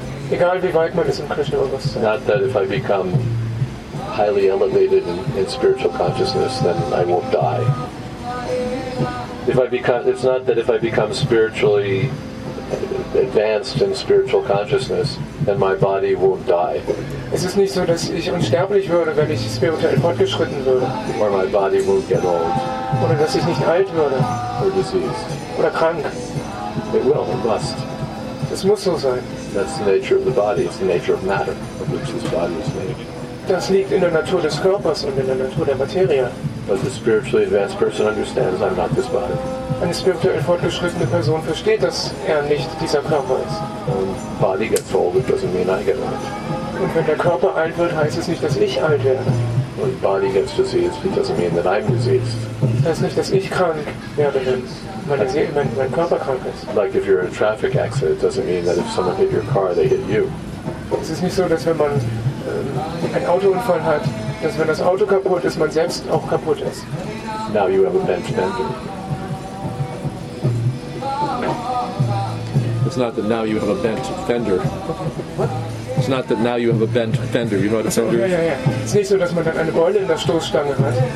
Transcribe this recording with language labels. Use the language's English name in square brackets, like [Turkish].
[German] Egal wie weit man ist im Krishna-Bewusstsein. [English] Not that if I become highly elevated in spiritual consciousness, then I won't die. It's not that if I become spiritually advanced in spiritual consciousness, then my body won't die. [German] Es ist nicht so, dass ich unsterblich würde, wenn ich spirituell fortgeschritten würde. [English] Or my body won't get old. [German] Oder dass ich nicht alt würde. [English] Or diseased. [German] Oder krank. [English] It will, it must. [German] Es muss so sein. [English] That's the nature of the body, it's the nature of matter, of which this body is made. [German] Das liegt in der Natur des Körpers und in der Natur der Materie. [English] But the spiritually advanced person understands I'm not this body. [German] Eine spirituell fortgeschrittene Person versteht, dass er nicht dieser Körper ist. [English] And body gets old, it doesn't mean I get old. [German] Und wenn der Körper alt wird, heißt es nicht, dass ich alt werde. [English] When body gets diseased, it doesn't mean that I'm diseased. [German] Das heißt nicht, dass ich krank werde, wenn meine Seele, wenn mein Körper krank ist. [English] Like if you're in a traffic accident, it doesn't mean that if someone hit your car, they hit you. [German] Es ist nicht so, dass wenn man einen Autounfall hat, dass wenn das Auto kaputt ist, man selbst auch kaputt ist. [English] Now you have a bent bending. It's not that now you have a bent fender. What? It's not that now you have a bent fender. You know what a fender is? [German] Ja, ja, ja. Es ist nicht so, dass man dann eine Beule in der Stoßstange hat.